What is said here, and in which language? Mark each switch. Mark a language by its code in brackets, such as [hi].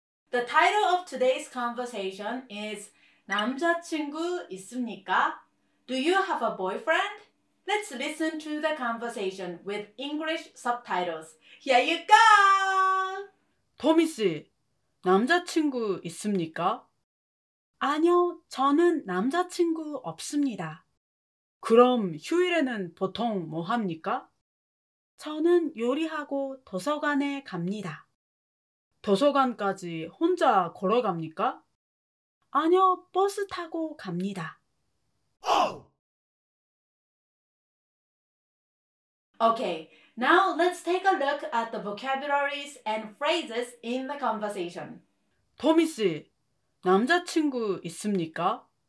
[en] The title of today's conversation is [ko] 남자친구 있습니까? [en] Do you have a boyfriend? Let's listen to the conversation with English subtitles. Here you go! [ko] 토미 씨, 남자친구 있습니까? 아니요, 저는 남자친구 없습니다. 그럼 휴일에는 보통 뭐 합니까? 저는 요리하고 도서관에 갑니다. 도서관까지 혼자 걸어갑니까? 아니요, 버스 타고 갑니다. [en] Okay, now let's take a look at the vocabularies and phrases in the conversation. [ko] 토미 씨, 남자친구 있습니까?